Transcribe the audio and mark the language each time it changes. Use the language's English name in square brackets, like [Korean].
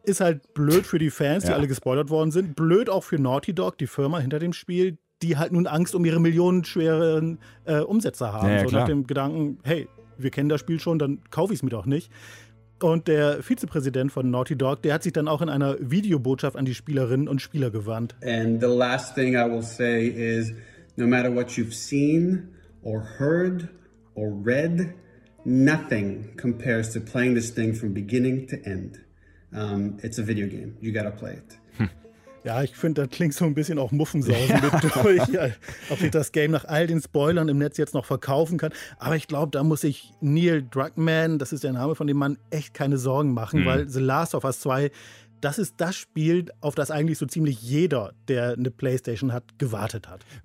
[German] Ist halt blöd für die Fans, die alle gespoilert worden sind. Blöd auch für Naughty Dog, die Firma hinter dem Spiel, die halt nun Angst um ihre millionenschweren Umsätze haben. Ja, so klar. Nach dem Gedanken, hey, wir kennen das Spiel schon, dann kaufe ich es mir doch nicht. Und der Vizepräsident von Naughty Dog, der hat sich dann auch in einer Videobotschaft an die Spielerinnen und Spieler gewandt. [English] And the last thing I will say is, no matter what you've seen or heard or read, nothing compares to playing this thing from beginning to end. It's a video game. You gotta play it. [German] Ja, ich finde, das klingt so ein bisschen auch Muffensausen mit durch. Ja, ob ich das Game nach all den Spoilern im Netz jetzt noch verkaufen kann. Aber ich glaube, da muss ich Neil Druckmann, das ist der Name von dem Mann, echt keine Sorgen machen. Mhm. Weil The Last of Us 2, das ist das Spiel, auf das eigentlich so ziemlich jeder, der eine PlayStation hat, gewartet hat.